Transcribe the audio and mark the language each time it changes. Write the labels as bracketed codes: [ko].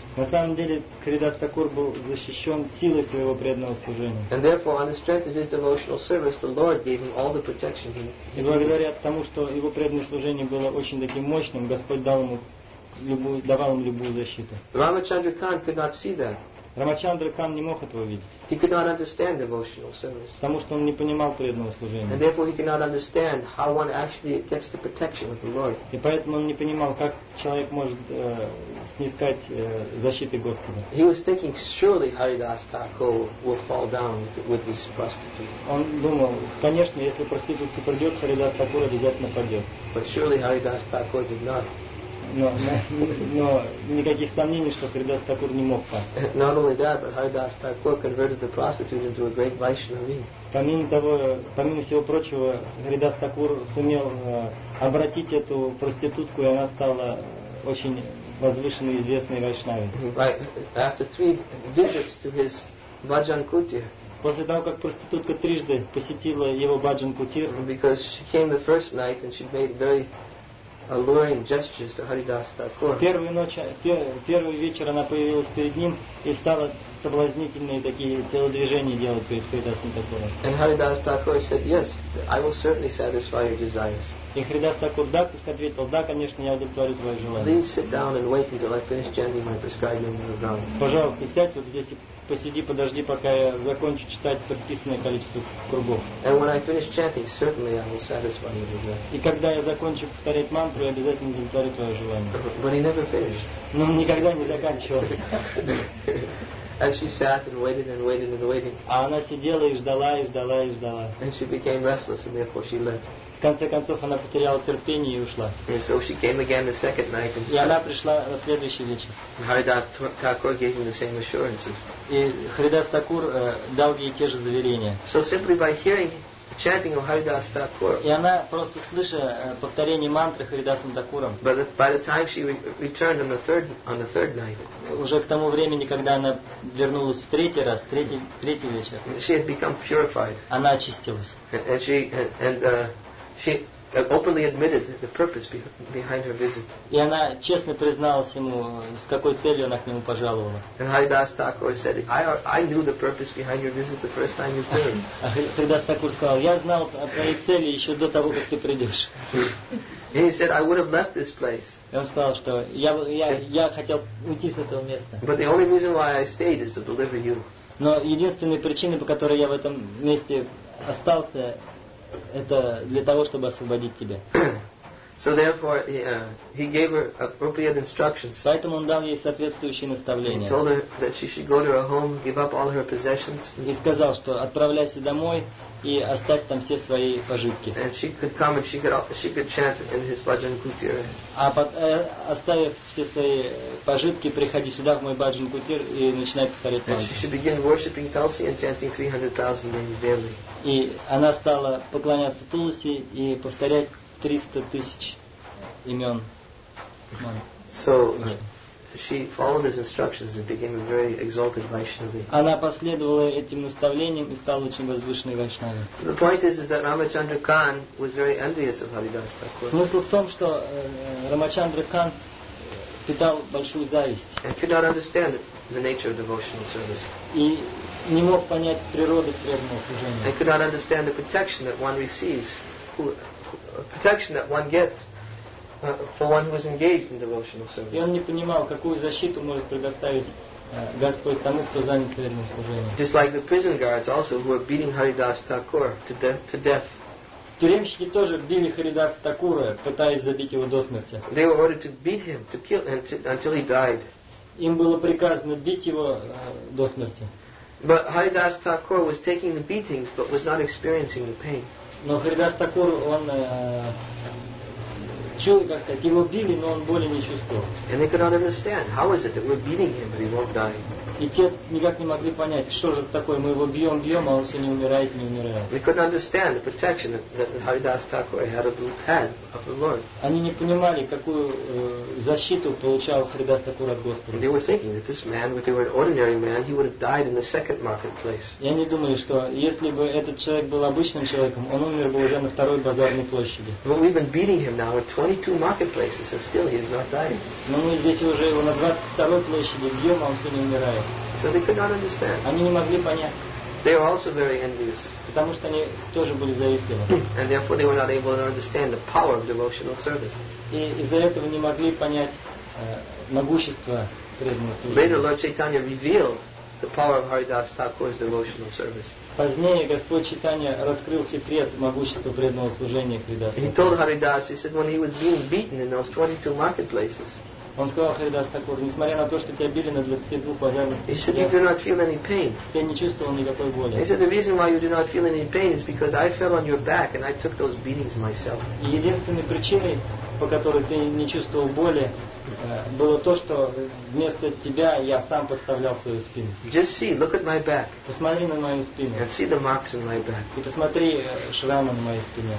[ru] На самом деле Харидас Такур был защищен силой своего преданного служения. И благодаря тому, что его преданное служение было очень таким мощным, Господь дал ему давал им любую защиту. [en] Рамачандра Кан could not see that. [ru] Рамачандра Кан не мог этого видеть. [en] He could not understand devotional service. [ru] Потому что он не понимал преданного служения. [en] And therefore he could not understand how one actually gets the protection of the Lord. [ru] И поэтому он не понимал, как человек может снискать защиты Господа. [en] He was thinking, surely Haridas Thakur will fall down with this prostitute. [ru] Он думал, конечно, если проститутка придет, Харидас Такур обязательно пойдет. [en] But surely Haridas Thakur did not. [ru] Но никаких сомнений, что Харидас Такур не мог пасть. [en] Not only that, but Haridas Thakur converted the prostitute into a great Vaishnavi. [ru] Помимо всего прочего, Харидас Такур сумел обратить эту проститутку, и она стала очень возвышенной, известной Вайшнави. [en] Right. After three visits to his Bhajan Kutir. [ru] После того, как проститутка трижды посетила его Bhajan Kutir. [en] Because she came the first night and she made very alluring gestures to Haridas Thakur. [ru] Первый вечер она появилась перед ним и стала соблазнительные такие телодвижения делать перед Харидасом Такуром. [en] And Haridas Thakur said, yes, I will certainly satisfy your desires. [ru] И Харидас Такур ответил, да, конечно, я удовлетворю твои желания. [en] Please sit down and wait until I finish chanting my prescribed number of rounds. [ru] Пожалуйста, сядь вот здесь и посиди, подожди, пока я закончу читать предписанное количество кругов. [en] And when I finish chanting, certainly I will satisfy your desire. [ru] И когда я закончу повторять мантру, я обязательно удовлетворю твое желание. [en] But he never finished. [ru] Но он никогда не заканчивал. [en] And she sat and waited and waited and waited. [ru] А она сидела и ждала, и ждала, и ждала. [en] And she became restless and therefore she left. [ru] В конце концов она потеряла терпение и ушла. [en] And so she came again the second night. [ru] И она пришла на следующий вечер. [en] Haridas Thakur gave him the same assurances. [ru] И Харидас Такур дал ей те же заверения. [en] So simply by hearing chanting of Haridas Thakur. [ru] И она просто слыша повторение мантры Харидасом Такуром. [en] But by the time she returned on the third night. [ru] Уже к тому времени, когда она вернулась в третий раз, третий вечер. [en] She had become purified. [ru] Она очистилась. [en] And she openly admitted the purpose behind her visit. [ru] И она честно призналась ему, с какой целью она к нему пожаловала. [en] And Haridas Thakur said, I knew the purpose behind your visit the first time you came. [ru] А Харидас Такур сказал, я знал о твоей цели еще до того, как ты придешь. [en] And he said, I would have left this place. [ru] И он сказал, что я хотел уйти с этого места. [en] But the only reason why I stayed is to deliver you. [ru] Но единственной причиной, по которой я в этом месте остался, Это для того, чтобы освободить тебя. [en] So therefore he gave her appropriate instructions. [ru] Поэтому он дал ей соответствующие наставления. [en] He told her that she should go to her home, give up all her possessions. [ru] И сказал, что отправляйся домой и оставь там все свои пожитки. [en] And she could come and she could chant in his bhajan kutir. [ru] А оставив все свои пожитки, приходи сюда в мой bhajan kutir и начинай повторять мантру. [en] She should begin worshiping Tulsi and chanting 300,000 names daily. [ru] И она стала поклоняться Тулси и повторять 300,000 имен. [en] So she followed his instructions and became a very exalted Vaishnavi. [ru] Она последовала этим наставлениям и стала очень возвышенной Вайшнави. [en] So the point is that Ramachandra Khan was very envious of Haridas Thakur. [ru] Смысл в том, что Рамачандра Кан питал большую зависть. [en] And could not understand the nature of devotional service. [ru] И не мог понять природы преданного служения. [en] And could not understand the protection that one receives. Protection that one gets for one who is engaged in devotional service. [ru] И он не понимал, какую защиту может предоставить Господь тому, кто занят преданным служением. [en] Just like the prison guards also who are beating Haridas Thakur to death. [ru] Тюремщики тоже били Харидаса Такура, пытаясь забить его до смерти. [en] They were ordered to beat him to kill until he died. [ru] Им было приказано бить его до смерти. [en] But Haridas Thakur was taking the beatings, but was not experiencing the pain. [ru] Но Харидас Такур, он чувствовал, как сказать, его били, но он боли не чувствовал. [en] And they could not understand how is it that we're beating him but he won't die. [ru] И те никак не могли понять, что же это такое, мы его бьем, бьем, а он все не умирает, не умирает. [en] They couldn't understand the protection that Haridas Thakur had of the Lord. [ru] Они не понимали, какую защиту получал Харидас Такур от Господа. [en] They were thinking that this man, if he were an ordinary man, he would have died in the second marketplace. [ru] И они думали, что если бы этот человек был обычным человеком, он умер бы уже на второй базарной площади. [en] But we've been beating him now at 22 marketplaces, and still he is not dying. [ru] Но мы здесь уже его на 22 площади бьем, а он все не умирает. [en] So they could not understand. [ru] Они не могли понять. [en] They were also very envious. [ru] Потому что они тоже были завистливы. [en] And therefore they were not able to understand the power of devotional service. [ru] И из-за этого не могли понять могущество преданного служения. [en] Later Lord Chaitanya revealed the power of Haridas Thakur's devotional service. [ru] Позднее Господь Чайтанья раскрыл секрет могущества преданного служения Харидаса. [en] He told Haridas, he said, when he was being beaten in those 22 marketplaces. [ru] Он сказал Харидас Такур, несмотря на то, что тебя били на 22 пожарных я не чувствовал никакой боли. [en] He said, the reason why you do not feel any pain is because I fell on your back and I took those beatings myself. [ru] Единственной причиной, по которой ты не чувствовал боли, было то, что вместо тебя я сам подставлял свою спину. [en] Just see, look at my back. [ru] Посмотри на мою спину. [en] And see the marks in my back. [ru] И посмотри шрамы на моей спине.